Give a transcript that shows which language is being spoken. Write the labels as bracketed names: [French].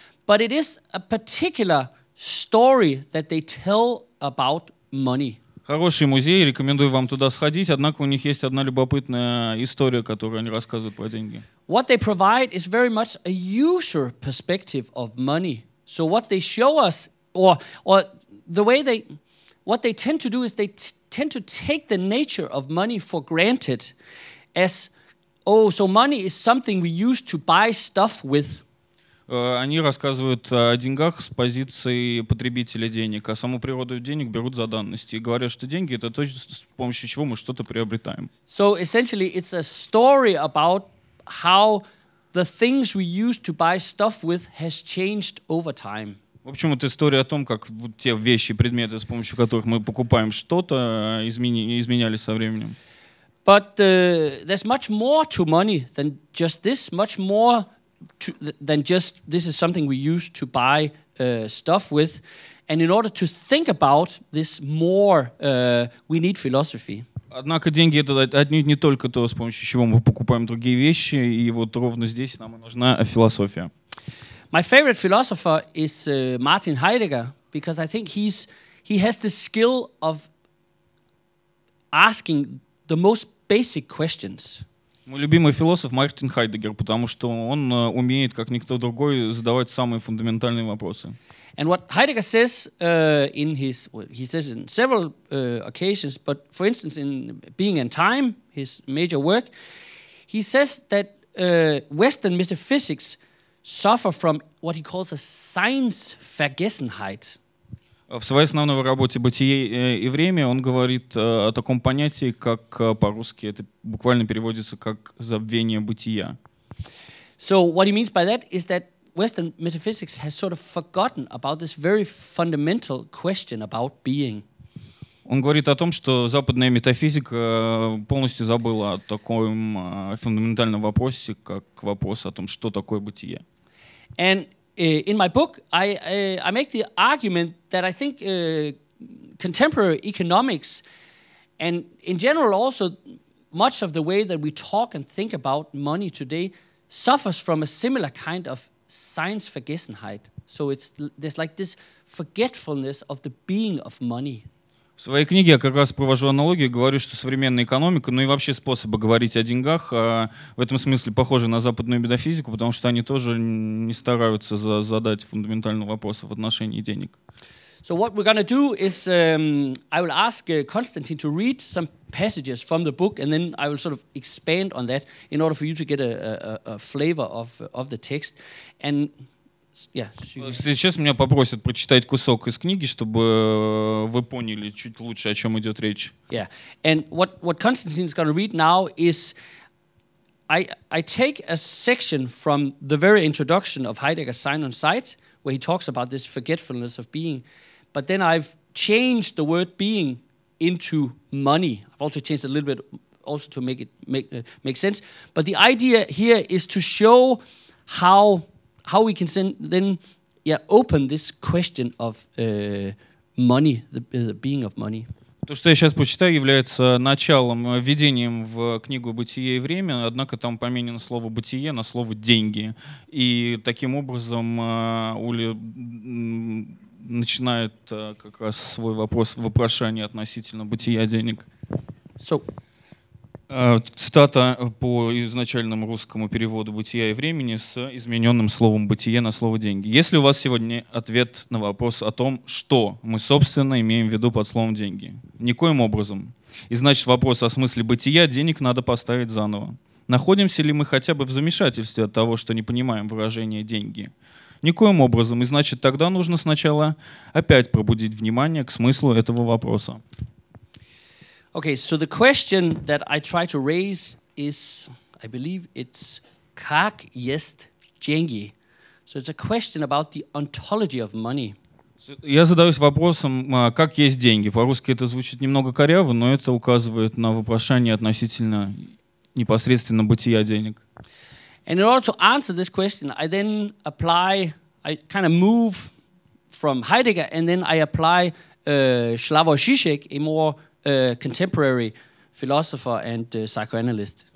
[English] But it is a particular story that they tell about money. [Russian] Хороший музей, рекомендую вам туда сходить, однако у них есть одна любопытная история, которую они рассказывают про деньги. [English] What they provide is very much a user perspective of money. So what they show us, or the way they, what they tend to do is they tend to take the nature of money for granted as, oh, so money is something we use to buy stuff with. [Russian] Они рассказывают о деньгах с позиции потребителя денег, а саму природу денег берут за данность и говорят, что деньги — это то, с помощью чего мы что-то приобретаем. [English] So essentially it's a story about how the things we use to buy stuff with has changed over time. [Russian] В общем, это история о том, как те вещи, предметы, с помощью которых мы покупаем что-то, изменялись со временем. [English] But there's much more to money than just this. Much more to, than just this is something we use to buy stuff with. And in order to think about this more, we need philosophy. [Russian] Однако деньги — это одни не только то, с помощью чего мы покупаем другие вещи, и вот ровно здесь нам и нужна философия. [English] My favorite philosopher is Martin Heidegger, because I think he has the skill of asking the most basic questions. [Russian] Мой любимый философ Мартин Хайдеггер, потому что он умеет, как никто другой, задавать самые фундаментальные вопросы. [English] And what Heidegger says in his, well, he says in several occasions, but for instance in Being and Time, his major work, he says that Western metaphysics suffer from what he calls a science vergessenheit. [Russian] В своей основной работе «Бытие и время» он говорит о таком понятии, как по-русски это буквально переводится как «забвение бытия». [English] So what he means by that is that Western metaphysics has sort of forgotten about this very fundamental question about being. [Russian] Он говорит о том, что западная метафизика полностью забыла о таком фундаментальном вопросе, как вопрос о том, что такое бытие. [English] And in my book, I make the argument that I think contemporary economics, and in general also much of the way that we talk and think about money today, suffers from a similar kind of science vergessenheit. So it's there's like this forgetfulness of the being of money. [Russian] В своей книге я как раз провожу аналогию, говорю, что современная экономика, ну и вообще способы говорить о деньгах, в этом смысле похожи на западную метафизику, потому что они тоже не стараются задать фундаментальный вопрос в отношении денег. [English] So what we're going to do is I will ask Constantine to read some passages from the book, and then I will sort of expand on that in order for you to get a flavor of the text. And [Russian] сейчас меня попросят прочитать кусок из книги, чтобы вы поняли чуть лучше, о чем идет речь. [English] Yeah, and what Constantine is going to read now is I take a section from the very introduction of Heidegger's Sign on Sight, where he talks about this forgetfulness of being, but then I've changed the word being into money. I've also changed a little bit also to make it make sense. But the idea here is to show how we can then open this question of money, the being of money. [Russian] То, что я сейчас прочитаю, является началом, введением в книгу «Бытие и время», однако там поменено слово «бытие» на слово «деньги». И таким образом Уле начинает как раз свой вопрос, вопрошание относительно бытия денег. [English] So. [Russian] Цитата по изначальному русскому переводу «Бытия и времени» с измененным словом «бытие» на слово «деньги». Есть ли у вас сегодня ответ на вопрос о том, что мы, собственно, имеем в виду под словом «деньги»? Никоим образом. И значит, вопрос о смысле бытия денег надо поставить заново. Находимся ли мы хотя бы в замешательстве от того, что не понимаем выражение «деньги»? Никоим образом. И значит, тогда нужно сначала опять пробудить внимание к смыслу этого вопроса. [English] Okay, so the question that I try to raise is, I believe it's [Russian] как есть деньги. [English] So it's a question about the ontology of money. [Russian] Я задаюсь вопросом, как есть деньги. По-русски это звучит немного коряво, но это указывает на вопрошение относительно непосредственно бытия денег. [English] And in order to answer this question, I then apply, I kind of move from Heidegger, and then I apply Славоя Жижека, a more contemporary philosopher and psychoanalyst.